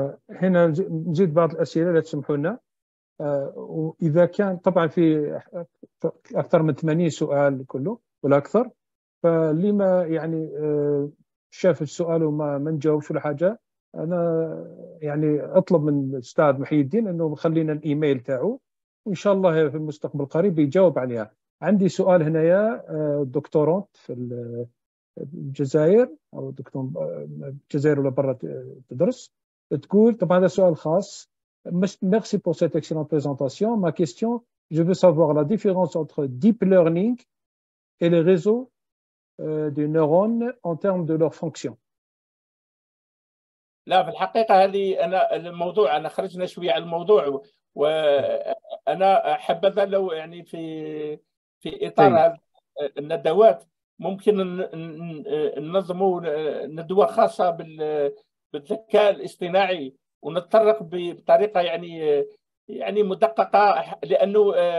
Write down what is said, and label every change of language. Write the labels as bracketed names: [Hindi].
[Arabic] هنا نزيد بعض الأسئلة لو تسمحوا لنا. وإذا كان طبعا في أكثر من 80 سؤال كله ولا أكثر، فلما يعني شاف السؤال وما من جاوبش ولا حاجة، أنا يعني أطلب من أستاذ محي الدين أنه خلينا الإيميل تاعه وإن شاء الله في المستقبل القريب يجاوب عليها. عندي سؤال هنا يا دكتورانت في الجزائر أو دكتور الجزائر ولا برا تدرس، تقول طبعا هذا سؤال خاص. [French] Merci pour cette excellente présentation. Ma question, je veux savoir la différence entre deep learning et les réseaux des neurones en termes de leur fonction. [Arabic] لا في الحقيقة هذه أنا الموضوع أنا خرجنا شوية على الموضوع وأنا حبذا لو يعني في إطار الندوات ممكن ننظموا ندوة خاصة بالذكاء الاصطناعي ونتطرق بطريقه يعني مدققه، لانه